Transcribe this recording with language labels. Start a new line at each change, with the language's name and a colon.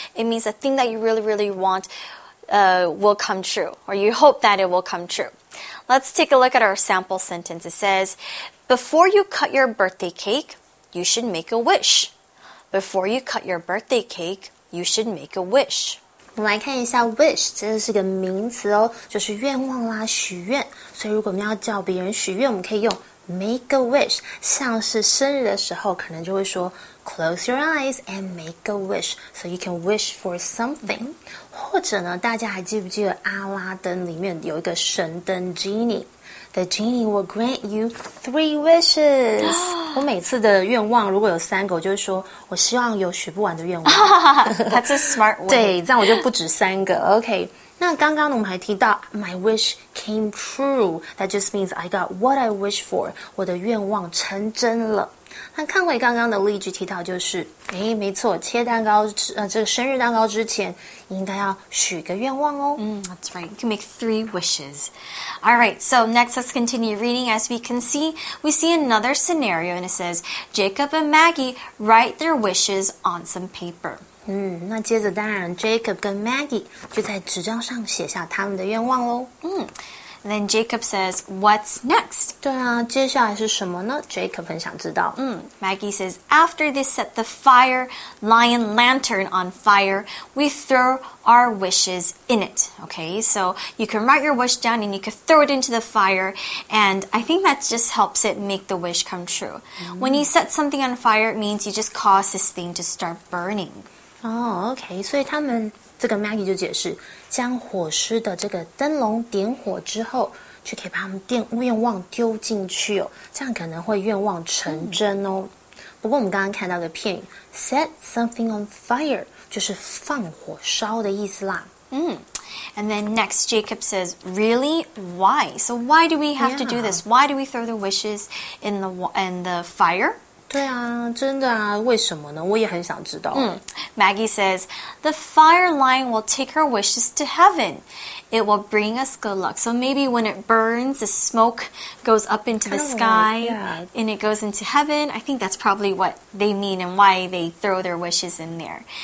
English: It means the thing that you really, really want, will come true, or you hope that it will come true. Let's take a look at our sample sentence. It says, before you cut your birthday cake, you should make a wish. Before you cut your birthday cake, you should make a wish.
Chinese: 我们来看一下 wish, 这是个名词哦就是愿望啦许愿。所以如果我们要叫别人许愿我们可以用
English: make a wish,
Chinese: 像是生日的时候可能就会说
English: close your eyes and make a wish, so you can wish for something.
Chinese: 或者呢大家还记不记得阿拉丁里面有一个神灯 genie?
English: The genie will grant you 3 wishes.
Chinese: 我每次的愿望如果有三个我就说我希望有许不完的愿望。
English: That's a smart way.
Chinese: 对这样我就不止三个。OK, 那刚刚我们还提到
English: my wish came true. That just means I got what I wish for.
Chinese: 我的愿望成真了。那看回刚刚的例句提到就是诶没错切蛋糕这个生日蛋糕之前应该要许个愿望哦。
English: That's right. You can make 3 wishes. Alright, so next let's continue reading. As we see another scenario and it says, Jacob and Maggie write their wishes on some paper.
Chinese: 那接着当然 Jacob 跟 Maggie 就在纸张上写下他们的愿望咯。
English: Then Jacob says, what's next?
Chinese: 对啊接下来是什么呢 Jacob 很想知道。
English: Maggie says, after they set the fire lion lantern on fire, we throw our wishes in it. Okay, so you can write your wish down and you can throw it into the fire. And I think that just helps it make the wish come true. When you set something on fire, it means you just cause this thing to start burning.
Chinese: Okay, 所以他们这个 Maggie 就解释将火狮的这个灯笼点火之后就可以把他们愿望丢进去哦，这样可能会愿望成真哦。不过我们刚刚看到的片语
English: set something on fire
Chinese: 就是放火烧的意思啦。
English: And then next, Jacob says, really? Why? So why do we have to do this? Why do we throw the wishes in the fire?
Chinese: 对啊真的啊为什么呢我也很想知道。
English: Maggie says, the fire lion will take our wishes to heaven. It will bring us good luck. So maybe when it burns, the smoke goes up into the sky and it goes into heaven. I think that's probably what they mean and why they throw their wishes in there.